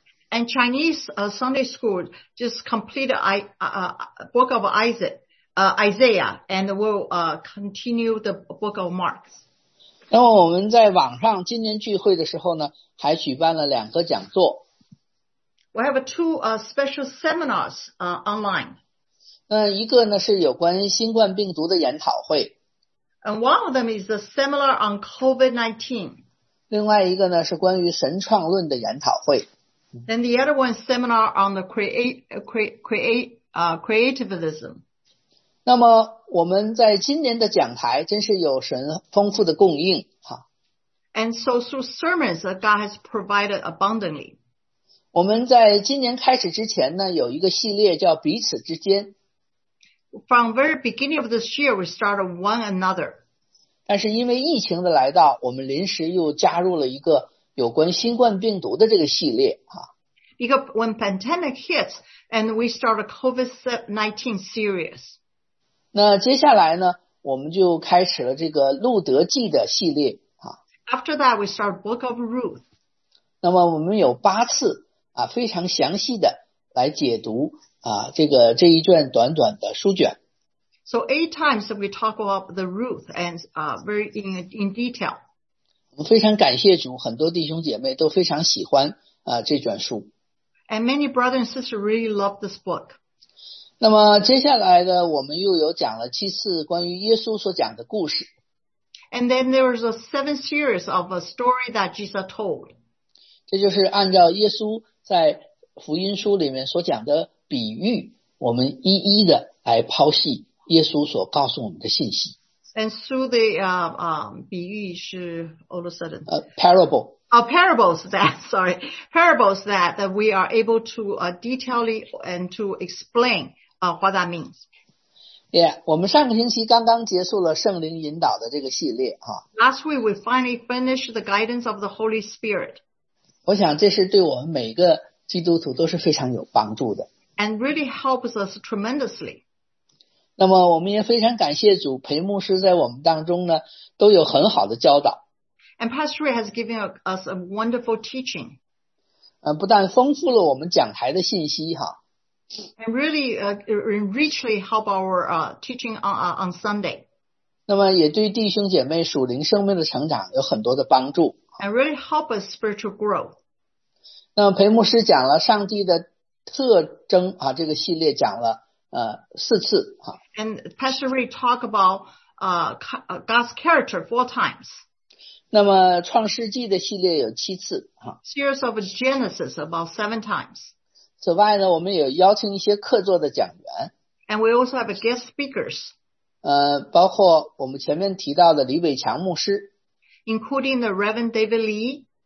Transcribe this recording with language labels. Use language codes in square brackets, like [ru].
[en] And Chinese Sunday school just completed book of Isaiah, and will continue the book of Mark. [zh] 那么我们在网上今年聚会的时候呢还举办了两个讲座。 [en] We have two special seminars online. [zh] 一个呢是有关新冠病毒的研讨会。 [en] And one of them is a seminar on COVID-19. [zh] 另外一个呢是关于神创论的研讨会。 [en] And the other one is seminar on the creativism. [zh] 那么我们在今年的讲台真是有神丰富的供应。 [en] And so through sermons that God has provided abundantly. [zh] 我们在今年开始之前呢有一个系列叫彼此之间。 [en] From very beginning of this year, we started one another. [zh] 但是因为疫情的来到我们临时又加入了一个有关新冠病毒的这个系列。 [en] Because when pandemic hits, and we started COVID-19 series. [zh] 那接下来呢我们就开始了这个路德记的系列。 [en] After that, we started Book of Ruth. [zh] 那么我们有八次。非常详细的来解读这一卷短短的书卷。 [en] So eight times we talk about the Ruth and very in detail. [zh] 我们非常感谢主，很多弟兄姐妹都非常喜欢这卷书。 [en] And many brothers and sisters really love this book. [zh] 那么接下来呢，我们又有讲了七次关于耶稣所讲的故事。 [en] And then there was a seven series of a story that Jesus told. [zh] 这就是按照耶稣在福音书里面所讲的比喻我们一一的来剖析耶稣所告诉我们的信息。 [en] And so the, [zh] 比喻是 [en] all of a sudden. Parable. Parables that we are able to detailly and to explain what that means. [zh] Yeah, 我们上个星期刚刚结束了圣灵引导的这个系列。 [en] Last week we finally finished the guidance of the Holy Spirit. [zh] 我想这是对我们每个基督徒都是非常有帮助的。 [en] And really helps us tremendously. [zh] 那么我们也非常感谢主，裴牧师在我们当中呢，都有很好的教导。 [en] And Pastor Ray has given us a wonderful teaching. [zh] 不但丰富了我们讲台的信息哈。 [en] And really, richly help our teaching on Sunday. [zh] 那么也对弟兄姐妹属灵生命的成长有很多的帮助。 [en] And really help us spiritual growth. [zh] 那么裴牧师讲了上帝的特征啊，这个系列讲了四次啊。 [en] And Pastor Ray talked about God's character four times. [zh] 那么创世纪的系列有七次啊。 [en] Series of Genesis about seven times. [zh] 此外呢，我们也邀请一些客座的讲员。 [en] And we also have guest speakers. [zh] 包括我们前面提到的李伟强牧师。 [en] Including the Reverend David Lee.